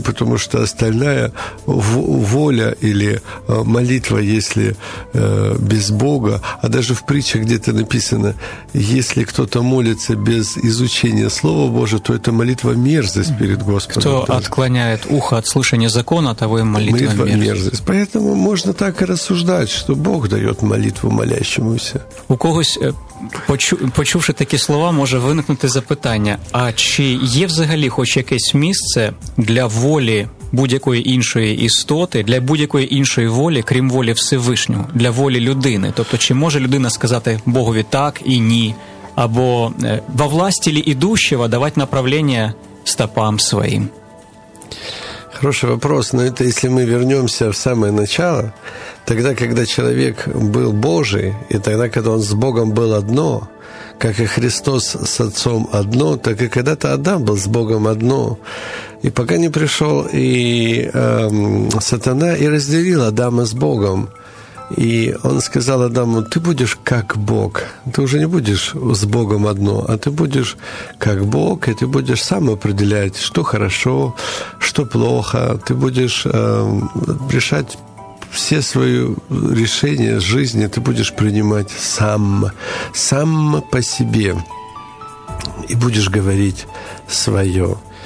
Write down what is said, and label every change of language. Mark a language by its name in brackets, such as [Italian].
[Russian] Потому что остальная воля или молитва, если без Бога, а даже в притчах где-то написано, если кто-то молится без изучения Слова Божьего, то это молитва мерзость перед Господом. Кто отклоняет ухо от слушания закона, того и молитва мерзость. Мерзость. Поэтому можно так и рассуждать, что Бог дает молитву молящемуся. [Ukrainian] У когось, почувши такі слова, може виникнути запитання, а чи є взагалі хоч якесь місце для волі будь-якої іншої істоти, для будь-якої іншої волі, крім волі Всевишнього, для волі людини? Тобто, чи може людина сказати Богові так і ні? Або во власті лі ідущого давати направлення стопам своїм? [Russian] Хороший вопрос, но это если мы вернемся в самое начало, тогда, когда человек был Божий, и тогда, когда он с Богом был одно, как и Христос с Отцом одно, так и когда-то Адам был с Богом одно. И пока не пришел и сатана и разделил Адама с Богом, и он сказал Адаму: ты будешь как Бог, ты уже не будешь с Богом одно, а ты будешь как Бог, и ты будешь сам определять, что хорошо, что плохо, ты будешь решать все свои решения жизни, ты будешь принимать сам по себе, и будешь говорить свое.